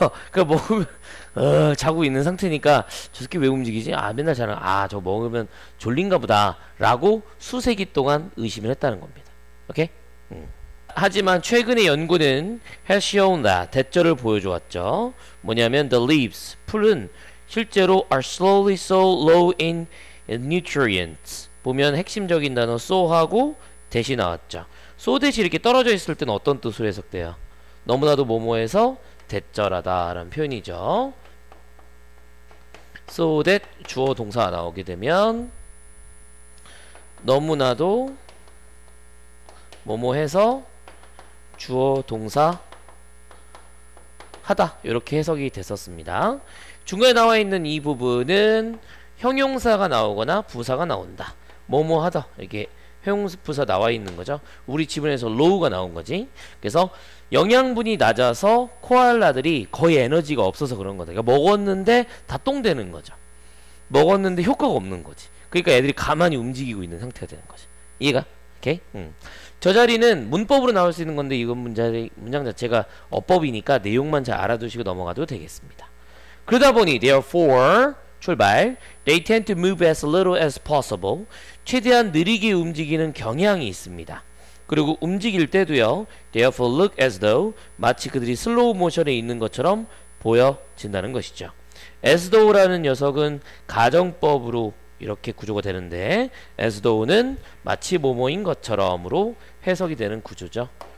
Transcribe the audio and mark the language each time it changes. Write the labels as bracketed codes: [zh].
[ko] 그러니까 먹으면 자고 있는 상태니까 저 새끼 왜 움직이지? 아 맨날 자는, 아 저거 먹으면 졸린가 보다 라고 수세기 동안 의심을 했다는 겁니다. 오케이? 하지만 최근의 연구는 [en] has shown that [ko] 대절을 보여주었죠. 뭐냐면 [en] the leaves, [ko] 풀은 실제로 [en] are slowly so low in nutrients. [ko] 보면 핵심적인 단어 so하고 대시 나왔죠. so 대시 이렇게 떨어져 있을 때는 어떤 뜻으로 해석돼요? 너무나도 뭐뭐해서 대절하다라는 표현이죠. so that 주어 동사 나오게 되면 너무나도 뭐뭐해서 주어 동사 하다 이렇게 해석이 됐었습니다. 중간에 나와 있는 이 부분은 형용사가 나오거나 부사가 나온다. 뭐뭐하다 이게 형용사 부사 나와 있는 거죠. 우리 지문에서 low가 나온 거지. 그래서 영양분이 낮아서 코알라들이 거의 에너지가 없어서 그런 거다. 그러니까 먹었는데 다 똥되는 거죠. 먹었는데 효과가 없는 거지. 그러니까 애들이 가만히 움직이고 있는 상태가 되는 거지. 이해가? 오케이? 저 자리는 문법으로 나올 수 있는 건데 이건 문장 자체가 어법이니까 내용만 잘 알아두시고 넘어가도 되겠습니다. 그러다 보니 therefore 출발. [en] They tend to move as little as possible. [ko] 최대한 느리게 움직이는 경향이 있습니다. 그리고 움직일 때도요. [en] Therefore look as though [ko] 마치 그들이 슬로우 모션에 있는 것처럼 보여진다는 것이죠. as though라는 녀석은 가정법으로 이렇게 구조가 되는데 as though는 마치 뭐뭐인 것처럼으로 해석이 되는 구조죠.